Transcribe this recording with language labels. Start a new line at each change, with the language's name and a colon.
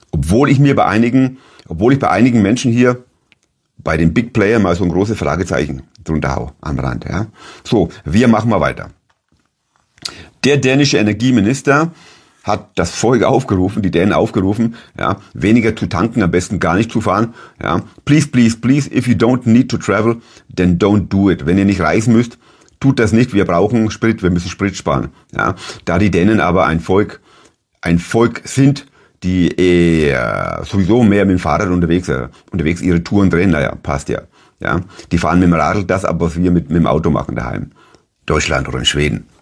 German: Obwohl ich bei einigen Menschen hier bei den Big Player mal so ein großes Fragezeichen drunter hau am Rand. Ja. So, wir machen mal weiter. Der dänische Energieminister hat das Volk aufgerufen, die Dänen aufgerufen, ja, weniger zu tanken, am besten gar nicht zu fahren. Ja.
English: Please, please, please, if you don't need to travel, then don't do it.
German: Wenn ihr nicht reisen müsst, tut das nicht. Wir brauchen Sprit, wir müssen Sprit sparen. Ja. Da die Dänen aber ein Volk sind, die sowieso mehr mit dem Fahrrad unterwegs ihre Touren drehen, naja, passt ja. Ja, die fahren mit dem Radl, das ab, was wir mit dem Auto machen daheim. Deutschland oder in Schweden.